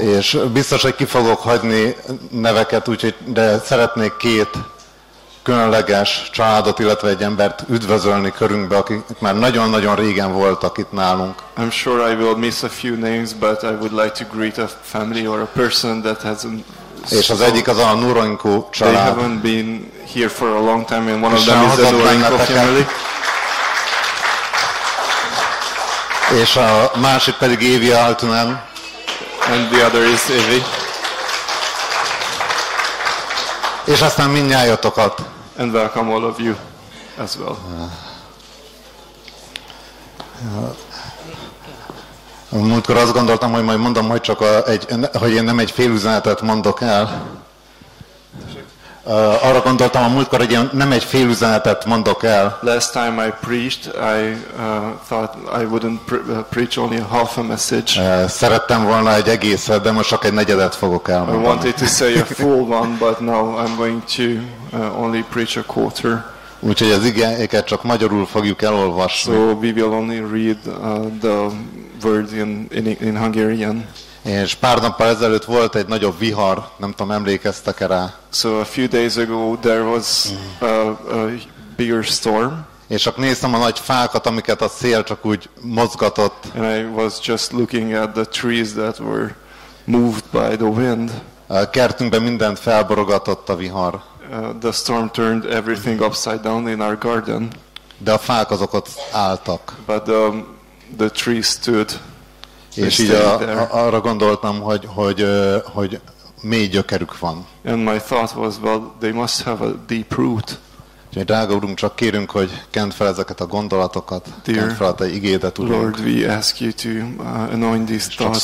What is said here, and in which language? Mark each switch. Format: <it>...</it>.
<hu>És biztos, hogy ki fogok hagyni neveket, úgyhogy de szeretnék két különleges családot, illetve egy embert üdvözölni körünkbe, akik már nagyon-nagyon régen voltak itt nálunk.</hu> <en>I'm sure I will miss a few names, but I would like to greet a family or a person that hasn't.</en> <hu>És az egyik az a Nuranko család.</hu> <en>They haven't been here for a long time, and one of them is the Nuranko family.</en> <hu>És a másik pedig Évi Altunen.</hu> <en>And the other is Évi.</en> <hu>És aztán mindnyájatokat.</hu> <en>And welcome all of you as well.</en> <hu>Múltkor azt gondoltam, hogy majd mondom, hogy csak hogy én nem egy fél üzenetet mondok el. Arra gondoltam, a múltkor, hogy én nem egy fél üzenetet mondok el.</hu> <en>Last time I preached, I thought I wouldn't preach only a half a message.</en> <hu>Szerettem volna egy egészet, de most csak egy negyedet fogok elmondani.</hu> <en>I wanted to say a full one, but now I'm going to only preach a quarter.</en> <hu>Úgyhogy az igéket csak magyarul fogjuk elolvasni.</hu> <en>So we will only read the words in Hungarian.</en> <hu>És pár nappal ezelőtt volt egy nagyobb vihar, nem tudom, emlékeztek-e rá.</hu> <en>So a few days ago there was a bigger storm.</en> <hu>És csak néztem a nagy fákat, amiket a szél csak úgy mozgatott.</hu> <en>And I was just looking at the trees that were moved by the wind.</en> <hu>A kertünkben mindent felborogatott a vihar.</hu> <en>The storm turned everything upside down in our garden.</en> <hu>De a fák azok ott álltak.</hu> <en>But the trees stood.</en> <hu>És így arra gondoltam, hogy mély gyökerük van.</hu> <en>And my thought was, well, they must have a deep root.</en> <hu>Úgyhogy, drága Urunk, csak kérünk, hogy kent fel ezeket a gondolatokat, kent fel a te igédet, Urunk.</hu> <en>Lord, we ask you to anoint these thoughts.</en>